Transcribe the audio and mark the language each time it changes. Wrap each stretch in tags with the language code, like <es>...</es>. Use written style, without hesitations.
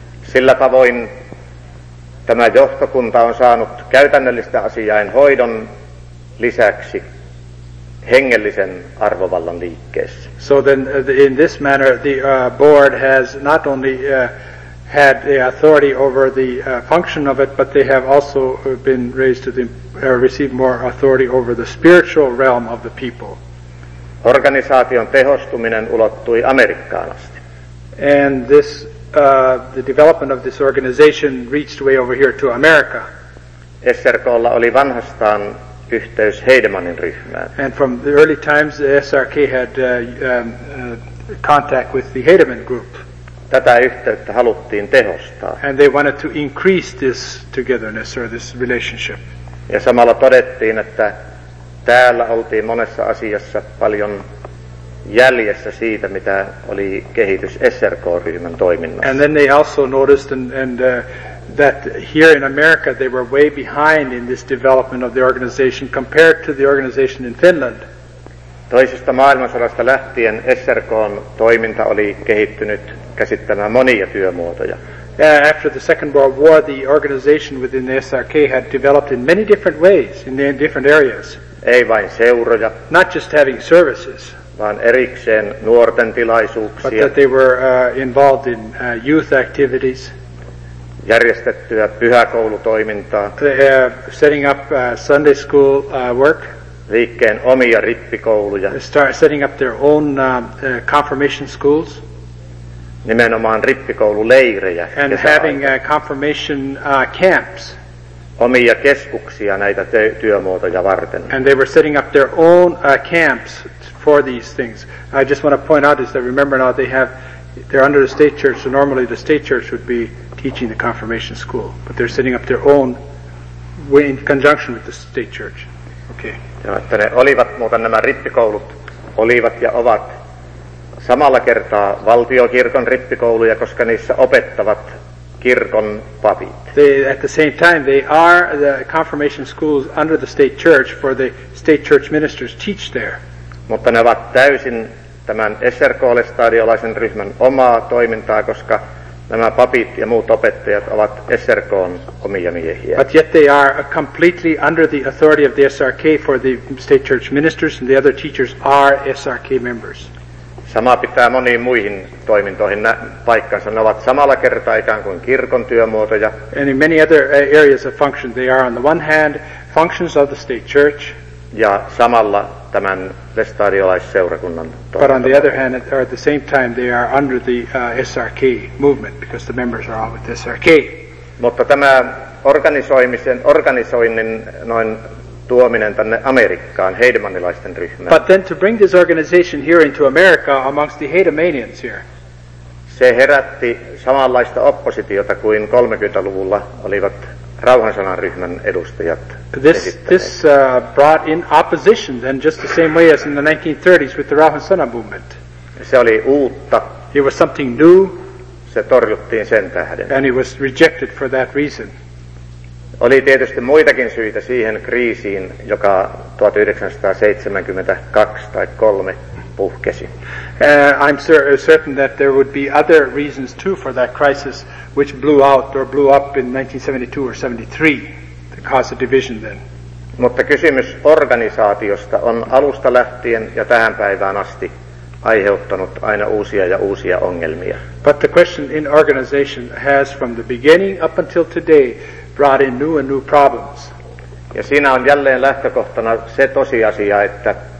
<fi>Sillä tavoin tämä johtokunta on saanut käytännöllistä asiain hoidon lisäksi hengellisen arvovallan liikkeessä.</fi> <en>So then in this manner the board has not only had the authority over the function of it, but they have also been raised to the, receive more authority over the spiritual realm of the people.</en> <fi>Organisaation tehostuminen ulottui Amerikkaan asti.</fi> <en>And this, the development of this organization reached way over here to America.</en> <fi>SRK:lla oli vanhastaan yhteys Heidemannin ryhmään.</fi> <en>And from the early times, the SRK had contact with the Heidemann group.</en> <fi>Tätä yhteyttä haluttiin tehostaa.</fi> <en>And they wanted to increase this togetherness or this relationship.</en> <fi>Ja samalla todettiin, että täällä oltiin monessa asiassa paljon jäljessä siitä, mitä oli kehitys SRK-ryhmän toiminnassa.</fi> <en>And then they also noticed that here in America they were way behind in this development of the organization compared to the organization in Finland.</en> <fi>Toisesta maailmansodasta lähtien SRK:n toiminta oli kehittynyt käsittämään monia työmuotoja.</fi> <en>After the Second World War, the organization within the SRK had developed in many different ways, in different areas.</en> <fi>Ei vain seuroja.</fi> <en>Not just having services.</en> <fi>Vaan erikseen nuorten tilaisuuksia.</fi> <en>But that they were involved in youth activities.</en> <fi>Järjestettyä pyhäkoulutoimintaa.</fi> <en>Setting up Sunday school work.</en> <fi>Liikkeen omia rippikouluja.</fi> <en>Setting up their own confirmation schools.</en> <fi>Nimenomaan rippikoululeirejä.</fi> <en>And having confirmation camps.</en> <fi>Omia keskuksia näitä työmuotoja varten.</fi> <en>And they were setting up their own camps for these things. I just want to point out is that remember now they're under the state church, so normally the state church would be teaching the confirmation school. But they're setting up their own in conjunction with the state church. Okay.</en> <fi>Ja että ne olivat, muuten nämä rippikoulut olivat ja ovat samalla kertaa valtiokirkon rippikouluja, koska niissä opettavat kirkon papit.</fi> <en>At the same time, they are the confirmation schools under the state church, for the state church ministers teach there.</en> <fi>Mutta ne ovat täysin tämän SRK-lestadiolaisen ryhmän omaa toimintaa, koska nämä papit ja muut opettajat ovat SRK:n omia miehiä.</fi> <en>But yet they are completely under the authority of the SRK for the state church ministers, and the other teachers are SRK members.</en> <fi>Sama pitää moniin muihin toimintoihin paikkansa. Ne ovat samalla kertaa ikään kuin kirkon työmuotoja.</fi> <en>And in many other areas of function, they are on the one hand functions of the state church.</en> <fi>Ja samalla tämän lestadiolaisseurakunnan toimintoja.</fi> <en>But on the other hand, at the same time, they are under the SRK movement, because the members are all with SRK.</en> <fi>Mutta tämä organisoinnin noin tuominen tänne Amerikkaan heidemannilaisten ryhmään.</fi> <en>But then to bring this organization here into America amongst the Heidemanians here.</en> <fi>Se herätti samanlaista oppositiota kuin 30-luvulla olivat rauhansanan ryhmän edustajat.</fi> <en>This brought in opposition then just the same way as in the 1930s with the Rauhansana movement.</en> <fi>Se oli uutta.</fi> <en>It was something new.</en> <fi>Se torjuttiin sen tähden.</fi> <en>And it was rejected for that reason.</en> <fi>Oli tietysti muitakin syitä siihen kriisiin, joka 1972 tai 3 puhkesi.</fi> <en>I'm certain that there would be other reasons too for that crisis which blew out or blew up in 1972 or 73 to cause a division then.</en> <fi>Mutta kysymys organisaatiosta on alusta lähtien ja tähän päivään asti aiheuttanut aina uusia ja uusia ongelmia.</fi> <en>But the question in organization has from the beginning up until today brought in new and new problems.</en> <fi>Ja siinä on jälleen lähtökohtana se tosiasia, että</fi>